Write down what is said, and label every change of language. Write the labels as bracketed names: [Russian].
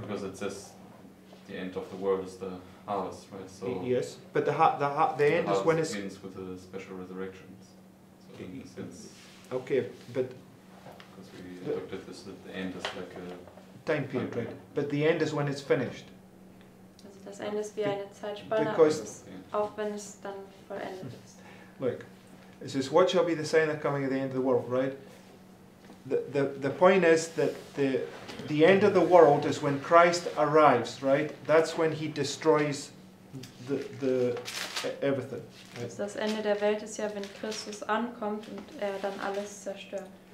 [English] Because it says the end of the world is the harvest, right? So yes, but the end is when it begins with the special resurrection. So in a sense. Okay, but because we looked at this, that the end is like a time period, right? But the end is when it's finished. [German] Das Ende ist wie eine Zeitspanne, also es, auch wenn es dann vollendet ist. [English] Look, it says, what shall be the sign of coming at the end of the world, right? The point is that the end of the world is when Christ arrives, right? That's when he destroys the everything. Right? [German] Das Ende der Welt ist ja, wenn Christus ankommt und er dann alles zerstört.